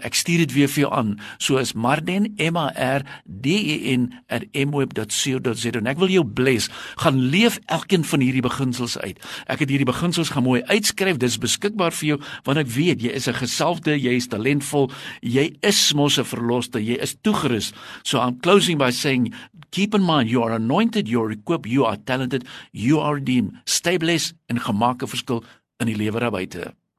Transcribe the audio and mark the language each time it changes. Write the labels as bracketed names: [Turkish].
[Afrikaans] Ek stuur dit weer vir jou aan. So is Marden marden@mweb.co.za. En ek wil jou bless. Gaan leef elkeen van hierdie beginsels uit. Ek het hierdie beginsels gaan mooi uitskryf, dis beskikbaar vir jou, want ek weet, jy is 'n gesalfde, jy is talentvol, jy is mos 'n verloste, jy is toegerus. [English] So I'm closing by saying, keep in mind, you are anointed, you are equipped, you are talented, you are redeemed. Stay blessed [Afrikaans] en gemaak 'n verskil in die lewe daar buite.